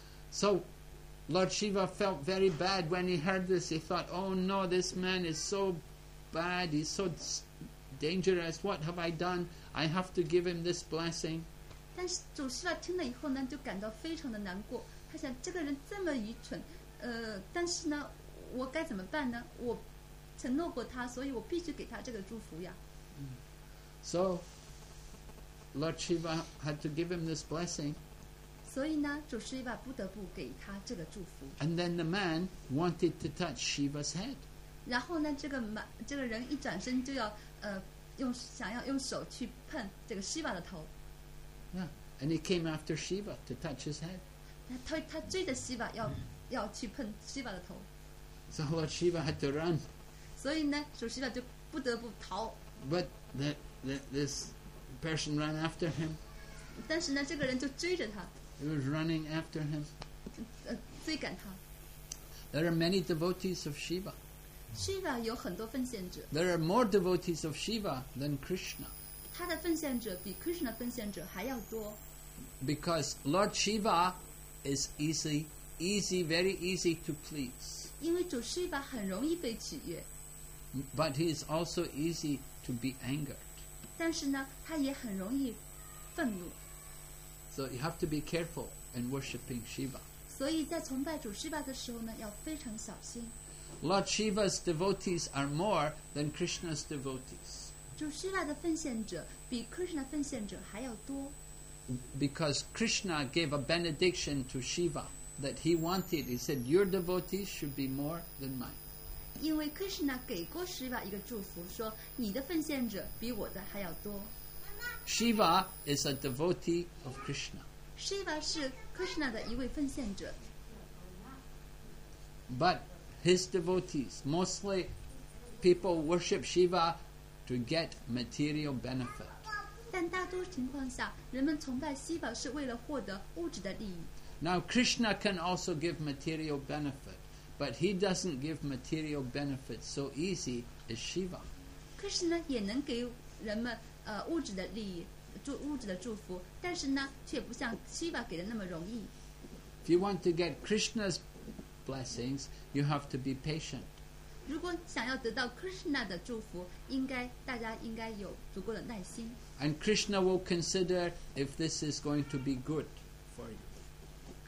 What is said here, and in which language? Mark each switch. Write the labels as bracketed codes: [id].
[en] So Lord Shiva felt very bad when he heard this. He thought, oh no, this man is so bad, he's so dangerous, what have I done? I have to give him this blessing. [zh] 但是主释迦听了以后呢，就感到非常的难过，他想这个人这么愚蠢，但是呢我该怎么办呢？我承诺过他，所以我必须给他这个祝福呀。 [en] So Lord Shiva had to give him this blessing. [zh] 所以呢，主释迦不得不给他这个祝福。 [en] And then the man wanted to touch Shiva's head. [zh] 然后呢，这个人一转身就要想要用手去碰这个 Shiva 的头。 [en] Yeah, and he came after Shiva to touch his head. [zh] 他追着 Shiva 要去碰 Shiva 的头。 [en] So Lord Shiva had to run. [zh] 所以呢，主释迦就不得不逃。 [en] But this person ran after him. [zh] 但是呢，这个人就追着他。 [en] He was running after him. [zh] 追赶他。 [en] There are many devotees of Shiva. [zh] Shiva 有很多奉献者。 [en] There are more devotees of Shiva than Krishna. [zh] 他的奉献者比 Krishna 奉献者还要多。 [en] Because Lord Shiva is very easy to please. [zh] 因为主 Shiva 很容易被取悦。 [en] But he is also easy to be angered. [zh] 但是呢，他也很容易愤怒。 [en] So you have to be careful in worshipping Shiva. [zh] 所以在崇拜主 Shiva 的时候呢，要非常小心。 [en] Lord Shiva's devotees are more than Krishna's devotees. [zh] 主 Shiva 的奉献者比 Krishna 奉献者还要多。 [en] Because Krishna gave a benediction to Shiva that he wanted. He said, your devotees should be more than mine. [zh] 因为 Krishna 给过 Shiva 一个祝福，说你的奉献者比我的还要多。 [en] Shiva is a devotee of Krishna. [zh] Shiva 是 Krishna 的一位奉献者。 [en] But his devotees, mostly people worship Shiva to get material benefit. [zh] 但大多情况下，人们崇拜西宝是为了获得物质的利益。 [en] Now Krishna can also give material benefit, but he doesn't give material benefit so easy as Shiva. [zh] Krishna 也能给人们物质的利益，物质的祝福，但是呢，却不像西宝给的那么容易。 [en] If you want to get Krishna's blessings, you have to be patient. [zh] 如果想要得到 Krishna 的祝福，大家应该有足够的耐心。 [en] And Krishna will consider if this is going to be good for you.